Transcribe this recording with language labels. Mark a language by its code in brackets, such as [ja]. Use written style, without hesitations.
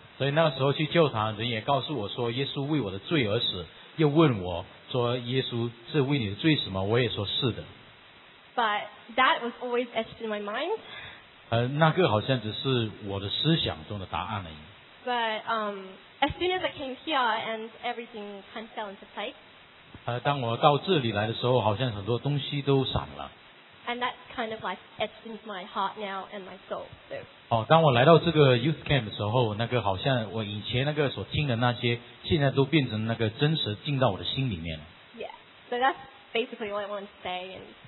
[zh] 所以那个时候去教堂，人也告诉我说耶稣为我的罪而死，又问我说耶稣是为你的罪死吗？我也说是的。 [en] But that was always etched in my mind. [zh] 那个好像只是我的思想中的答案而已。 [en] But as soon as I came here and everything kind of fell into place. [zh] 当我到这里来的时候，好像很多东西都散了。 [en] And that kind of like etched into my heart now and my soul. [zh] 当我来到这个 youth camp 的时候，那个好像我以前那个所听的那些，现在都变成那个真实进到我的心里面了。 [en] Yeah, so that's basically what I want to say.